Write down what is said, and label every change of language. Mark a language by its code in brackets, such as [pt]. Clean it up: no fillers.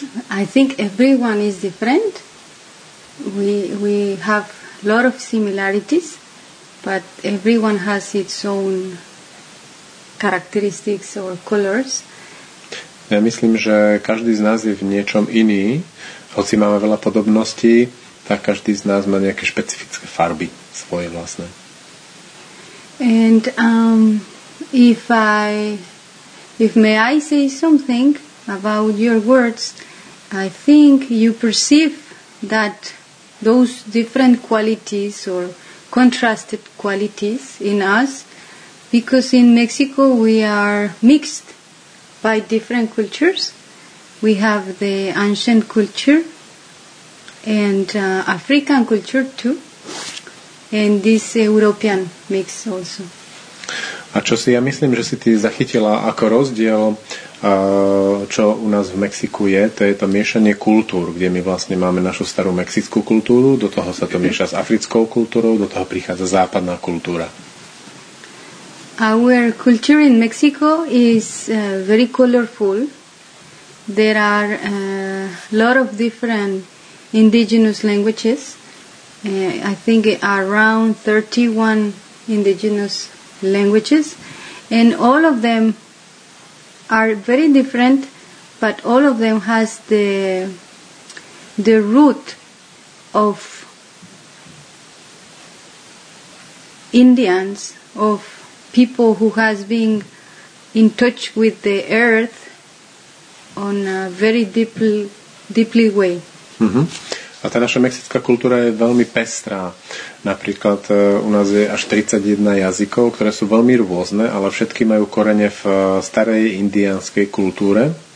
[en] I think everyone is different. We have a lot of similarities, but everyone has its own characteristics or colors. [sk] Ja myslím, že každý z nás je v niečom iný. Hoci máme veľa podobností, tak každý z nás má nejaké špecifické farby svoje vlastné. [en] And if may I say something about your words, I think you perceive that those different qualities or contrasted qualities in us, because in Mexico we are mixed by different cultures. We have the ancient culture and African culture too, and this European mix also. [sk] A čo si ja myslím, že si ty zachytila ako rozdiel, čo u nás v Mexiku je, to je to miešanie kultúr, kde my vlastne máme našu starú mexickú kultúru, do toho sa to mieša s africkou kultúrou, do toho prichádza západná kultúra. [en] Our culture in Mexico is very colorful. There are a lot of different indigenous languages. I think around 31 indigenous languages, and all of them are very different, but all of them has the root of Indians, of people who has been in touch with the earth on a very deeply way. Mm-hmm. [sk] A tá naša mexická kultúra je veľmi pestrá. Napríklad u nás je až 31 jazykov, ktoré sú veľmi rôzne, ale všetky majú korene v starej indianskej kultúre.